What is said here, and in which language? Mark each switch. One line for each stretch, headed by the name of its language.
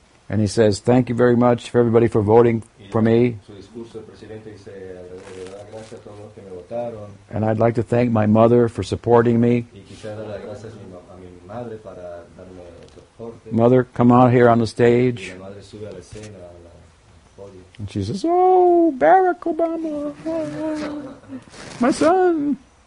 English: And he says, thank you very much for everybody for voting for me.
Spanish: Su discurso, el presidente dice, gracias a todos los que me votaron.
English: And I'd like to thank my mother for supporting me.
Spanish: Y quisiera dar las gracias a mi madre para darme el soporte.
English: Mother, come out here on the stage.
Spanish: Y la madre sube a la escena, al podio.
English: And she says, oh, Barack Obama, my son.